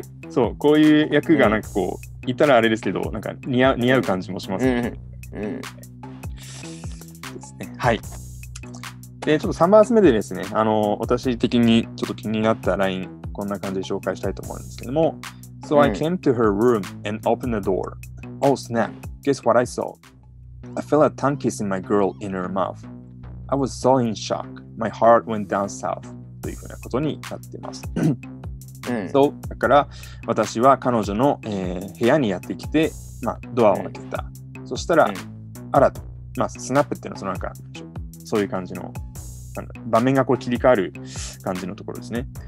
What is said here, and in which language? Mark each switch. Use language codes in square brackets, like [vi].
[ja] こういう、そう、こういう役がなんかこう、うん、いたらあれですけど、なんか似合う感じもしますね。うん。うんはい、でちょっと3バース目でですね、私的にちょっと気になったラインこんな感じで紹介したいと思うんですけども、うん、 [en] So I came to her room and opened the door. Oh snap, guess what I saw? I felt a tongue kissing my girl in her mouth. I was so in shock. My heart went down south. [ja] というふうなことになっています、うん、 So だから私は彼女の、部屋にやってきて、まあ、ドアを開けた、うん、そしたら、うん、あらと、まあ、スナップっていうのはそのなんか、そういう感じの、なんだ、場面がこう切り替わる感じのところですね。